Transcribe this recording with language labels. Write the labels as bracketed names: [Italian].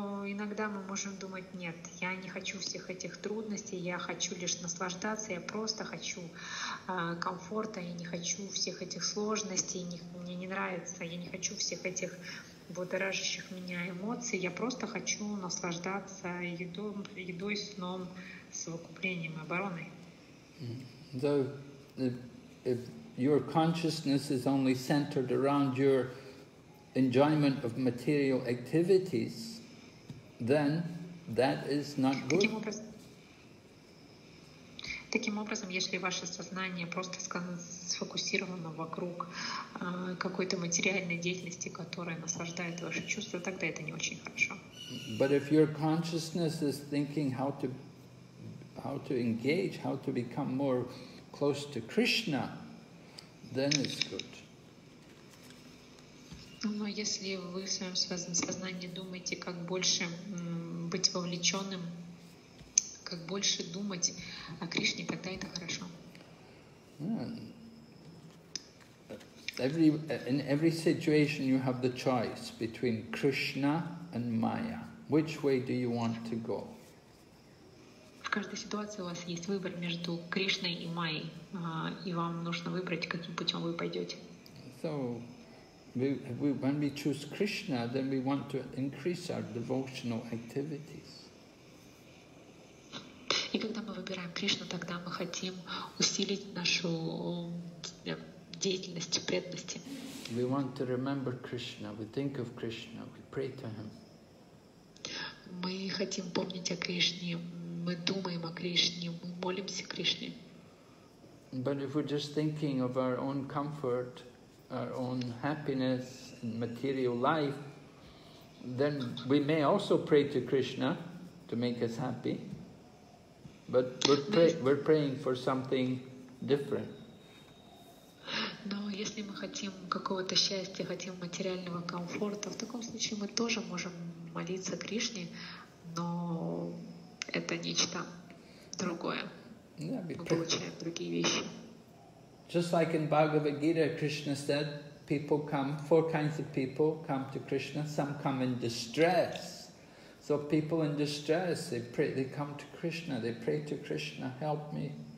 [Russian] Иногда мы можем думать, нет, я не хочу всех этих трудностей, я хочу лишь наслаждаться, я просто хочу комфорта, я не хочу всех этих сложностей, мне не нравится, я не хочу всех этих будоражащих меня эмоций, я просто хочу наслаждаться едой, сном, совокуплением, обороной. [English] So, if your consciousness is only centered around your enjoyment of material activities, then that is not good. [Russian] Таким образом, если ваше сознание просто сфокусировано вокруг какой-то материальной деятельности, которая наслаждает ваши чувства, тогда это не очень хорошо. [English] But if your consciousness is thinking how to engage, how to become more close to Krishna, then it's good. [Russian] Но если вы в своем сознании думаете, как больше быть вовлеченным, как больше думать о Кришне, тогда это хорошо. [English] In every situation you have the choice between Krishna and Maya. Which way do you want to go? [Russian] В каждой ситуации у вас есть выбор между Кришной и Майей, и вам нужно выбрать, каким путем вы пойдете. [English] So, when we choose Krishna, then we want to increase our devotional activities. [Russian] И когда мы выбираем Кришну, тогда мы хотим усилить нашу деятельность преданности. [English] We want to remember Krishna. We think of Krishna. We pray to him. [Russian] Мы хотим помнить о Кришне. Мы думаем о Кришне. Мы молимся Кришне. [English] But if we're just thinking of our own comfort, our own happiness and material life, then we may also pray to Krishna to make us happy, but we're praying for something different. [Russian] Но если мы хотим какого-то счастья, хотим материального комфорта, в таком случае мы тоже можем молиться Кришне, но это нечто другое. Мы получаем другие вещи. [English] Just like in Bhagavad Gita, Krishna said, people come, four kinds of people come to Krishna. Some come in distress. So people in distress, they pray, they come to Krishna, they pray to Krishna, help me.